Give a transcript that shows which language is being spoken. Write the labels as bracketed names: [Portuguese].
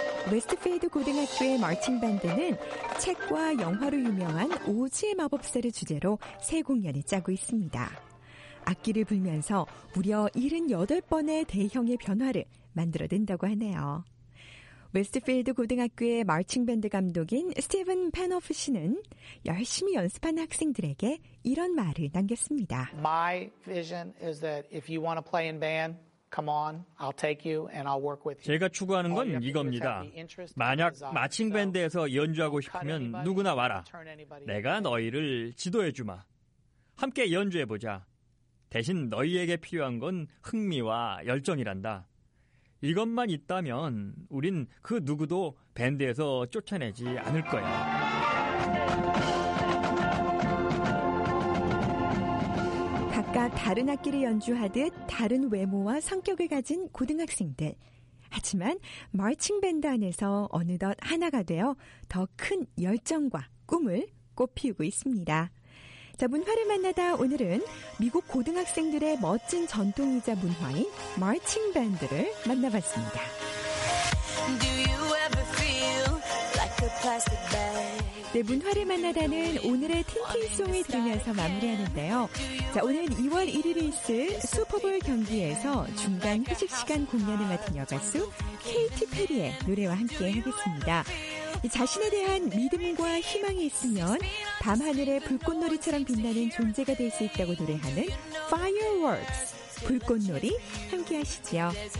[Korean] 웨스트필드 고등학교의 마칭밴드는 책과 영화로 유명한 오즈의 마법사를 주제로 새 공연을 짜고 있습니다. 악기를 불면서 무려 78번의 대형의 변화를 만들어낸다고 하네요. 웨스트필드 고등학교의 마칭밴드 감독인 스티븐 펜호프 씨는 열심히 연습한 학생들에게 이런 말을 남겼습니다. [English] My vision is that if you want to play in band, Come on, I'll take you and I'll work with you. [Korean] 제가 추구하는 건 이겁니다. 만약 마칭 밴드에서 연주하고 싶으면 누구나 와라. 내가 너희를 지도해 주마. 함께 연주해 보자. 대신 너희에게 필요한 건 흥미와 열정이란다. 이것만 있다면 우린 그 누구도 밴드에서 쫓아내지 않을 거야. 각각 다른 악기를 연주하듯 다른 외모와 성격을 가진 고등학생들. 하지만 마칭밴드 안에서 어느덧 하나가 되어 더 큰 열정과 꿈을 꽃피우고 있습니다. 자, 문화를 만나다 오늘은 미국 고등학생들의 멋진 전통이자 문화인 마칭밴드를 만나봤습니다. [English] Do you ever feel like a plastic bag? [Korean] 네, 문화를 만나다는 오늘의 틴틴송을 들으면서 마무리하는데요. 자, 오늘 2월 1일에 있을 슈퍼볼 경기에서 중간 휴식시간 공연을 맡은 여가수 케이티 페리의 노래와 함께 하겠습니다. 자신에 대한 믿음과 희망이 있으면 밤하늘의 불꽃놀이처럼 빛나는 존재가 될 수 있다고 노래하는 Fireworks, 불꽃놀이 함께 하시지요.